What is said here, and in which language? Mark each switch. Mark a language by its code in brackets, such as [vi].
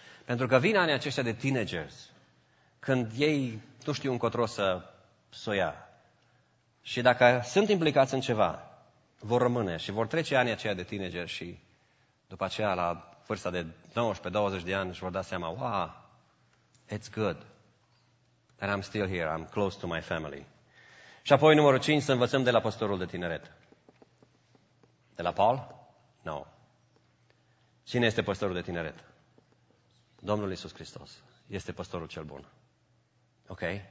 [ro] Pentru că vin anii aceștia de teenagers, când ei nu știu încotro să o ia. Și dacă sunt implicați în ceva, vor rămâne și vor trece anii aceia de teenager și după aceea, la vârsta de 19-20 de ani, își vor da seama, [en] wow, it's good. And I'm still here, I'm close to my family. [ro] Și apoi, numărul 5, să învățăm de la pastorul de tineret. De la Paul? No. Cine este pastorul de tineret? Domnul Iisus Hristos. Este pastorul cel bun. Ok?